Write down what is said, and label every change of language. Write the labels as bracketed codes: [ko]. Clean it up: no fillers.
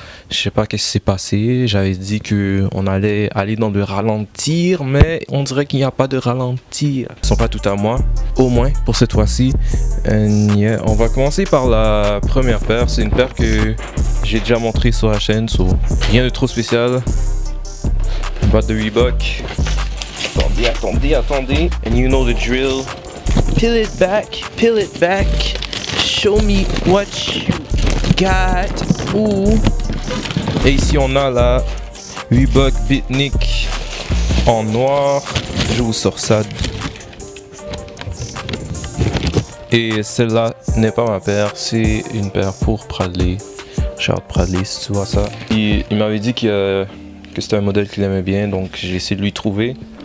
[fr] Je sais pas qu'est-ce qui s'est passé, j'avais dit qu'on allait aller dans le ralentir, mais on dirait qu'il n'y a pas de ralentir. Ils sont pas tout à moi, au moins pour cette fois-ci. Yeah. On va commencer par la première paire, c'est une paire que j'ai déjà montré sur la chaîne, so rien de trop spécial. Une boîte de Reebok. Attendez, [en] and you know the drill. Peel it back, show me what you got, ooh. [fr] Et ici on a la Reebok Beatnik en noir. Je vous sors ça. Et celle-là n'est pas ma paire, c'est une paire pour Bradley. Charles Bradley, si tu vois ça. Il m'avait dit que c'était un modèle qu'il aimait bien, donc j'ai essayé de lui trouver.